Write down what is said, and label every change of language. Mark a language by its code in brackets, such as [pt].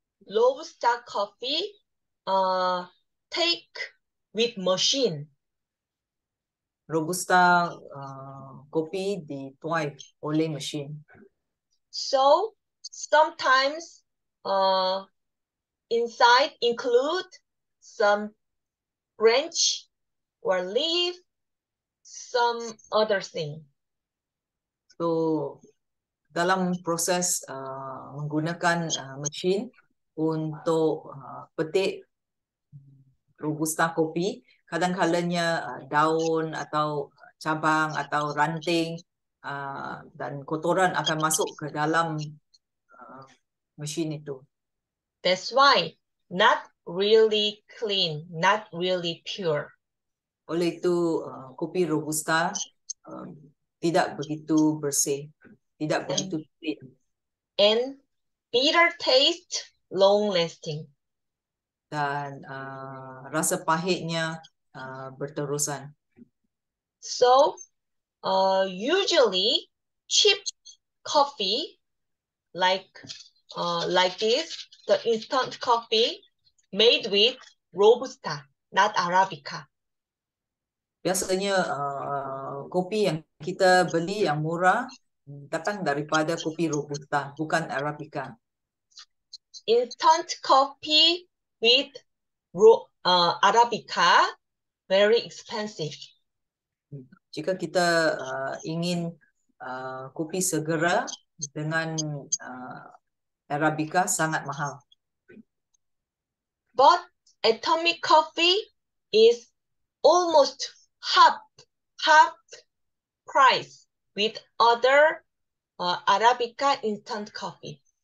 [en] Robusta coffee take with machine. [ms] Robusta kopi dituai oleh mesin. [en] So sometimes inside include some branch or leaf, some other thing. [ms] So dalam proses menggunakan mesin untuk petik, robusta kopi, kadang-kalanya daun atau cabang atau ranting dan kotoran akan masuk ke dalam mesin itu. [en] That's why not really clean, not really pure. [ms] Oleh itu, kopi robusta tidak begitu bersih, tidak begitu clean. [en] And bitter taste, long lasting. [ms] Dan rasa pahitnya berterusan. [en] So, usually cheap coffee like this, the instant coffee made with robusta, not arabica. [ms] Biasanya kopi yang kita beli yang murah datang daripada kopi robusta, bukan arabica. [en] Instant coffee with arabica very expensive. [ms] Jika kita ingin kopi segera dengan arabica sangat mahal. [en] But atomic coffee is almost half price with other arabica instant coffee.